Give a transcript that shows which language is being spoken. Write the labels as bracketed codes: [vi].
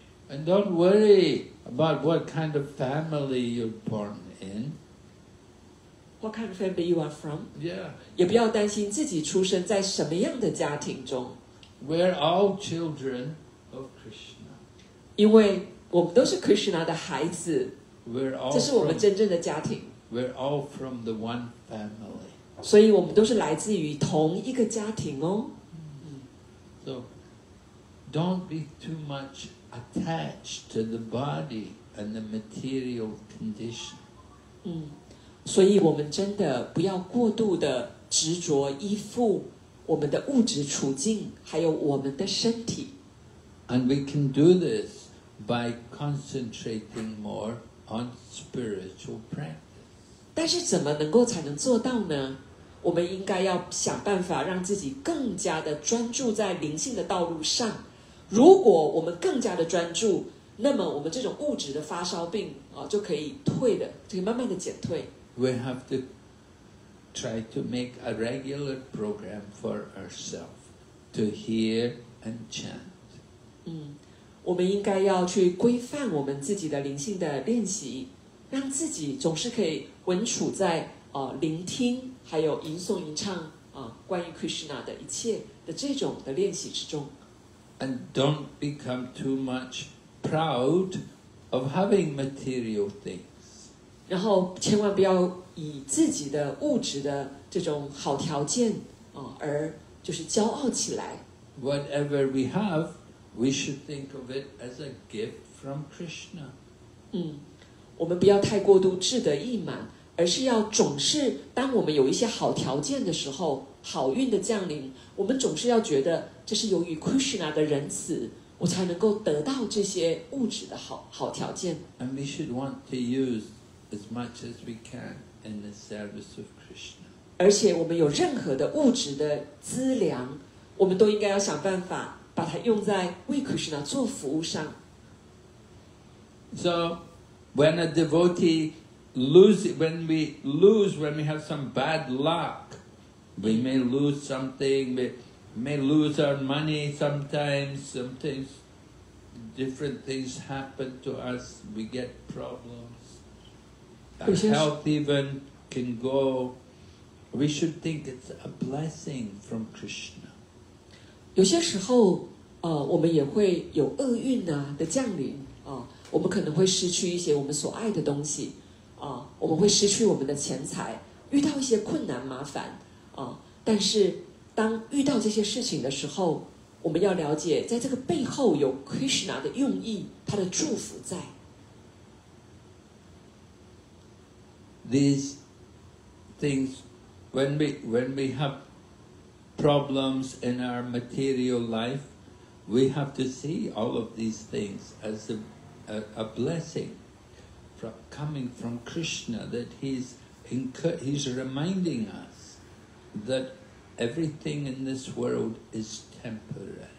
[en] And don't worry about what kind of family you're born in. What kind of family you are from? Yeah. [zh] 也不要担心自己出生在什么样的家庭中。 [en] We're all children of Krishna. [zh] 因为我们都是 Krishna 的孩子。 [en] We're all. [zh] 这是我们真正的家庭。 [en] We're all from the one family. [zh] 所以我们都是来自于同一个家庭哦。 [en] So, don't be too much attached to the body and the material condition. [zh] 所以我们真的不要过度的执着依附我们的物质处境，还有我们的身体。 [en] And we can do this by concentrating more on spiritual practice. [zh] 但是怎么能够才能做到呢？我们应该要想办法让自己更加的专注在灵性的道路上。如果我们更加的专注，那么我们这种物质的发烧病就可以退的，就可以慢慢的减退。 [en] We have to try to make a regular program for ourselves to hear and chant. [zh] 我们应该要去规范我们自己的灵性的练习，让自己总是可以稳处在聆听还有吟诵吟唱关于 Krishna 的一切的这种的练习之中。 [en] And don't become too much proud of having material things. [zh] 然后千万不要以自己的物质的这种好条件而就是骄傲起来。 [en] Whatever we have, we should think of it as a gift from Krishna. [zh] 我们不要太过度志得意满，而是要总是当我们有一些好条件的时候，好运的降临，我们总是要觉得这是由于 Krishna 的仁慈，我才能够得到这些物质的 好条件。 [en] And we should want to use as much as we can in the service of Krishna. [zh] 而且我们有任何的物质的资粮，我们都应该要想办法把它用在为 Krishna 做服务上。 [en] SoWhen a devotee loses, when we have some bad luck, we may lose something, we may lose our money sometimes, sometimes different things happen to us, we get problems, our health even can go. We should think it's a blessing from Krishna. [zh] 有些时候我们也会有厄运的降临我们可能会失去一些我们所爱的东西我们会失去我们的钱财，遇到一些困难麻烦但是当遇到这些事情的时候，我们要了解在这个背后有 Krishna 的用意，他的祝福在。 [en] These things, when we have problems in our material life, we have to see all of these things as a blessing coming from Krishna, that he's reminding us that everything in this world is temporary.